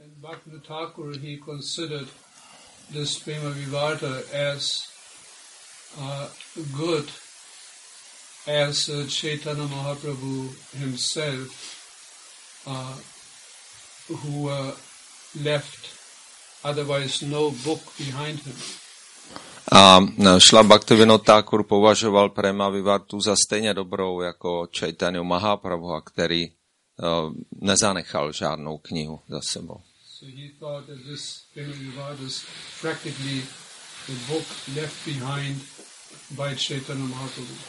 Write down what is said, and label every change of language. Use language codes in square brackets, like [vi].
[en] Bhaktivinoda Thakur he considered this Prema Vivarta as good as Chaitanya Mahaprabhu himself who left otherwise no book behind him. [cs] A Srila Bhaktivinoda Thakur považoval Prema Vivartu za stejně dobrou jako Chaitanya Mahaprabhu, který nezanechal žádnou knihu za sebou. [en] So he thought that this Prema Vivarta is practically the book left behind by Chaitanya Mahaprabhu.